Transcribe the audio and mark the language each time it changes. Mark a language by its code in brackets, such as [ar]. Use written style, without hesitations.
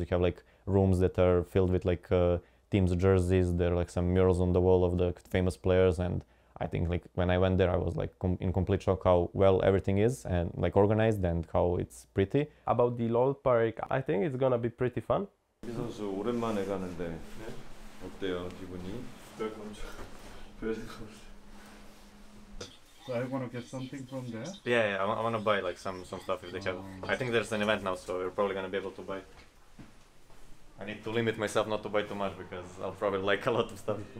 [en] You have like rooms that are filled with like teams' jerseys. There are like some murals on the wall of the famous players. And I think like when I went there, I was like in complete shock how well everything is and like organized and how it's pretty. About the LoL Park, I think it's gonna be pretty fun. [ko] 이 선수 오랜만에 가는데 어때요 기분이? 별 감정. [en] So I wanna get something from there. Yeah, I wanna buy like some stuff if they have. I think there's an event now, so we're probably gonna be able to buy. I need to limit myself not to buy too much because I'll probably like a lot of stuff.